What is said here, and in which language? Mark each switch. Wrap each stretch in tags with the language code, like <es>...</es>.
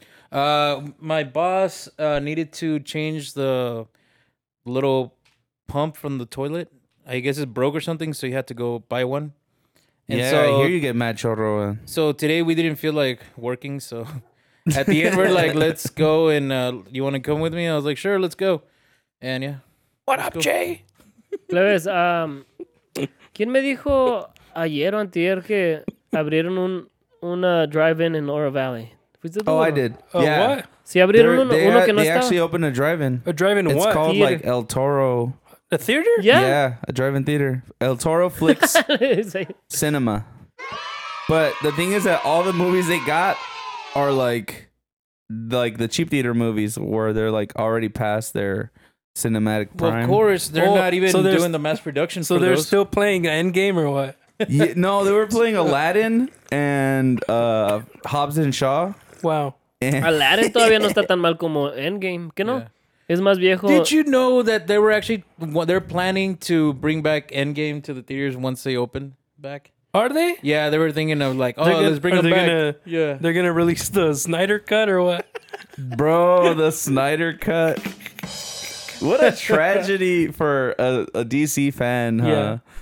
<en>My boss needed to change the little pump from the toilet. I guess it broke or something, so he had to go buy one. And yeah, so, I hear you get mad chorro. So today we didn't feel like working, so... At the end, we're like, let's go, and you want to come with me? I was like, sure, let's go. And yeah. What up, go. Jay?</en> <es>Leves, ¿quién me dijo ayer o antier que abrieron una drive-in in Oro Valley?</es> <en>I did. Yeah.</en> <es>What? Si abrieron uno que no</es> <en>they</en> <es>estaba.</es> <en>They actually opened a drive-in. A drive-in it's what? It's called, like, El Toro. A theater? Yeah, a drive-in theater. El Toro Flicks Cinema. But the thing is that all the movies they got... are like the cheap theater movies where they're like already past their cinematic prime. Well, of course, they're not even doing the mass production. So they're still playing Endgame or what? Yeah, no, they were playing Aladdin and Hobbs and Shaw. Wow.</en> <es>Aladdin todavía no está tan mal como Endgame. ¿Qué no? Es más viejo.</es> <en>Did you know that they were actually, they're planning to bring back Endgame to the theaters once they open back? Are they? Yeah, they were thinking of like, let's bring them back. They're going to release the Snyder Cut or what? Bro, the Snyder Cut. What a tragedy for a DC fan, huh?</en>